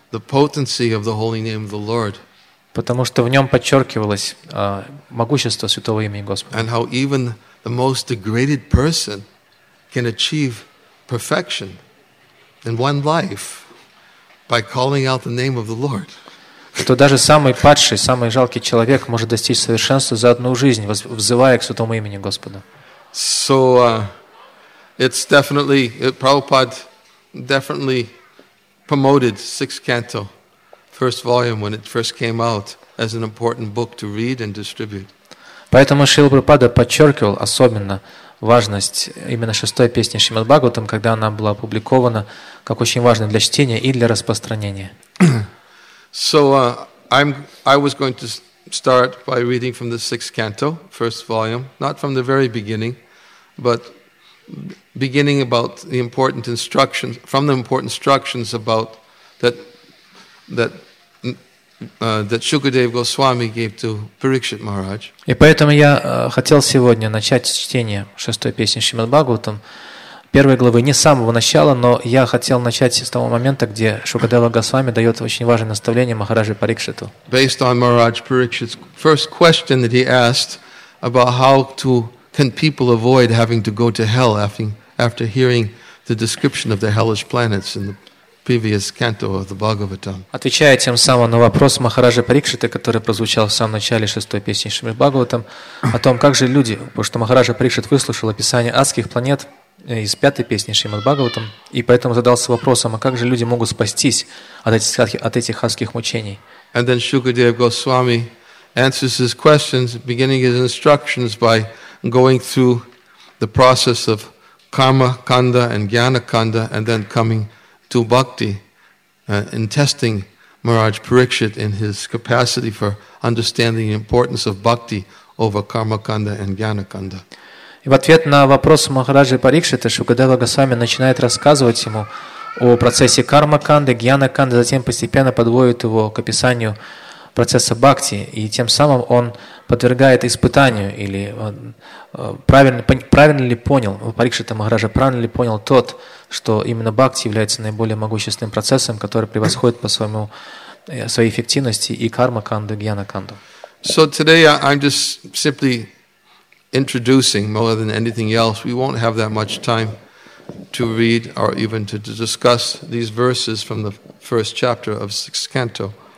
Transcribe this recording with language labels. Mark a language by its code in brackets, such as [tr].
[en] The potency of the holy name of the Lord. [ru] Потому что в нем подчеркивалось могущество святого имени Господа. [en] And how even the most degraded person can achieve perfection in one life by calling out the name of the Lord. [ru] Что даже самый падший, самый жалкий человек может достичь совершенства за одну жизнь, взывая к святому имени Господа. [en] So it's definitely Prabhupada definitely promoted sixth canto first volume when it first came out as an important book to read and distribute. [ru] Поэтому Шрила Прабхупада подчеркивал особенно важность именно шестой песни Шримад Бхагаватам, когда она была опубликована, как очень важная для чтения и для распространения. [en] So I was going to start by reading from the sixth canto, first volume, not from the very beginning, but beginning about the important instructions from the important instructions about that Shukadev Goswami gave to Parikshit Maharaj. [ru] И поэтому я хотел сегодня начать чтение шестой песни Шримад Бхагаватам, первой главы, не с самого начала, но я хотел начать с того момента, где Шукадева Госвами дает очень важное наставление Махараджи Парикшиту. [en] Based on Maharaj Parikshit's first question that he asked about how to can people avoid having to go to hell after hearing the description of the hellish planets in the previous canto of the Bhagavatam? [ru] Отвечая тем самым на вопрос Махараджа Парикшиты, который прозвучал в самом начале шестой песни Шримад Бхагаватам, о том, как же люди, потому что Махараджа Парикшит выслушал описание адских планет из пятой песни Шримад Бхагаватам, и поэтому задался вопросом, а как же люди могут спастись от этих адских мучений? [en] And then Shukadev Goswami answers his questions, beginning his instructions by going through the process of karma kanda and jnana kanda, and then coming to bhakti and testing Maharaj Parikshit in his capacity for understanding the importance of bhakti over karma kanda and jnana kanda. [ru] И в ответ на вопрос Махараджи Парикшита Шукадева Госвами начинает рассказывать ему о процессе карма канды, гьяна канды, затем постепенно подводит его к описанию процесса бхакти, и тем самым он подвергает испытанию, или правильно ли понял Парикшита Махараджа, правильно ли понял тот, что именно бхакти является наиболее могущественным процессом, который превосходит по своей эффективности и карма канду, гьяна канду. [en] So today I'm just simply introducing more than anything else. We won't have that much time to read or even to discuss these verses from the first chapter of sixth canto.